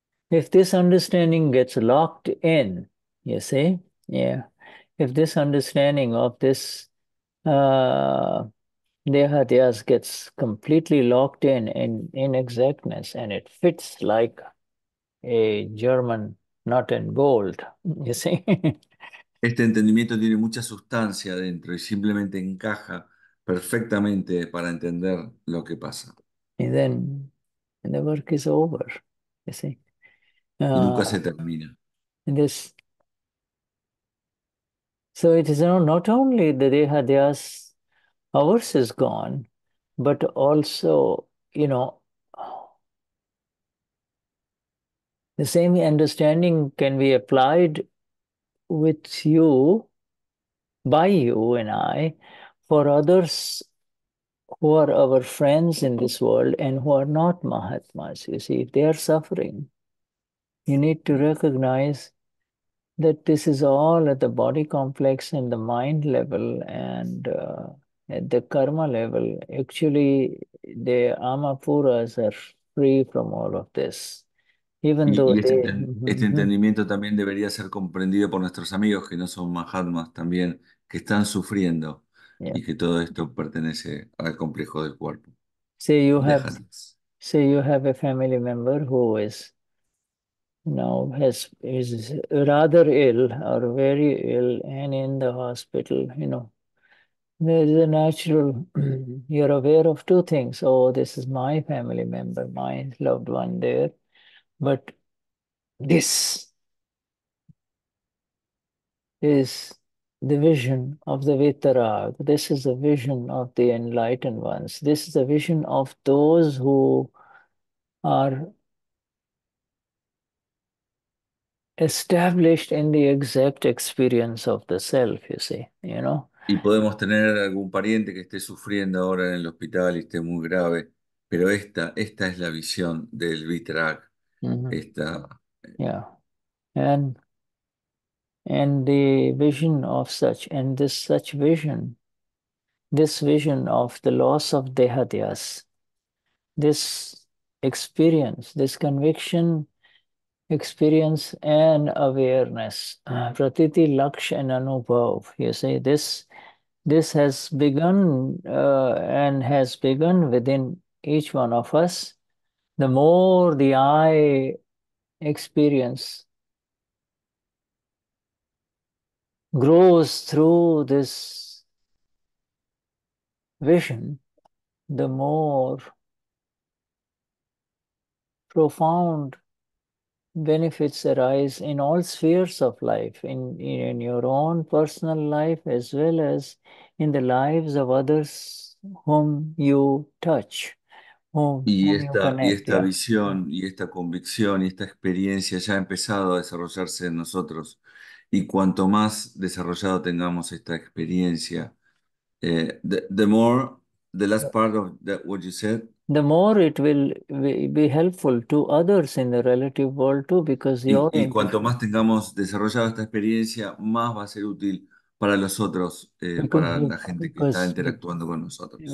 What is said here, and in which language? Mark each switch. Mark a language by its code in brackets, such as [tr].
[en] If this understanding gets locked in, you see, yeah, if this understanding of this Dehadhyas gets completely locked in exactness, and it fits like a German nut and bolt, you see. [es] Este entendimiento tiene mucha sustancia dentro y simplemente encaja perfectamente para entender lo que pasa. [en] And then the work is over, you see. [es] Y nunca se termina. [en] This, so it is not only the Dehadhyas ours is gone, but also, the same understanding can be applied with you, by you and I, for others who are our friends in this world and who are not Mahatmas. You see, if they are suffering, you need to recognize that this is all at the body complex and the mind level and at the karma level. Actually, the Amapuras are free from all of this, even though [es] Y [en] they... [es] este entendimiento también debería ser comprendido por nuestros amigos que no son mahatmas también, que están sufriendo y que todo esto pertenece al complejo del cuerpo. Déjalos. [en] Say you have a family member who is now has is rather ill or very ill and in the hospital. There is a natural, you're aware of two things. Oh, this is my family member, my loved one there. But this is the vision of the Vitarag. This is a vision of the enlightened ones. This is a vision of those who are established in the exact experience of the self, you see. [es] Y podemos tener algún pariente que esté sufriendo ahora en el hospital y esté muy grave, pero esta es la visión del Vitrak. Esta. [en] And the vision of such, and this such vision, this vision of the loss of Dehadhyas, this experience, this conviction, experience and awareness, pratiti laksh and anubhav, you see, this has begun and has begun within each one of us. The more the I experience grows through this vision, the more profound benefits arise in all spheres of life, in your own personal life, as well as in the lives of others whom you touch, [es] Y [en] whom you connect. [es] esta visión y esta convicción y esta experiencia ya ha empezado a desarrollarse en nosotros. Y cuanto más desarrollado tengamos esta experiencia, [en] the more the last part of that what you said, the more it will be helpful to others in the relative world too, because your [es] y cuanto más tengamos desarrollado esta experiencia, más va a ser útil para los otros, para la gente que está interactuando con nosotros.